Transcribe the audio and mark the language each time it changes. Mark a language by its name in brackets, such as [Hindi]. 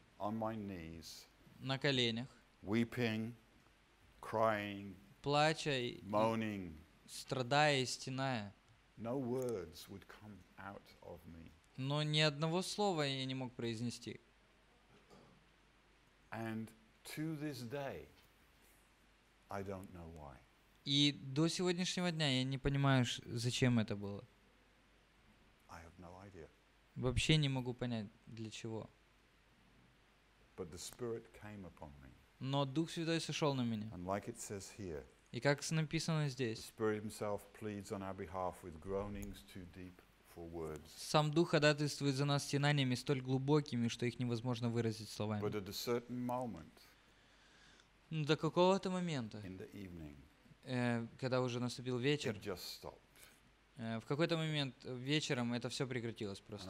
[English] on my knees, [Russian] на коленях, [English] weeping, crying, [Russian] плача, [English] moaning, [Russian] страдая и стеная. [English] No words would come out of me. [Russian] Но ни одного слова я не мог произнести. [English] And to this day, I don't know why. [Russian] И до сегодняшнего дня я не понимаю, зачем это было. [English] I have no idea. [Russian] Вообще не могу понять, для чего. [English] But the Spirit came upon me. [Russian] Но Дух Святой сошел на меня. [English] And like it says here, [Russian] и как написано здесь, [English] the Spirit himself pleads on our behalf with groanings too deep for words. [Russian] Сам Дух ходатайствует за нас стенаниями столь глубокими, что их невозможно выразить словами. [English] But at a certain moment, [Russian] до какого-то момента, [English] in the evening, [Russian] когда уже наступил вечер, в какой-то момент вечером это все прекратилось просто.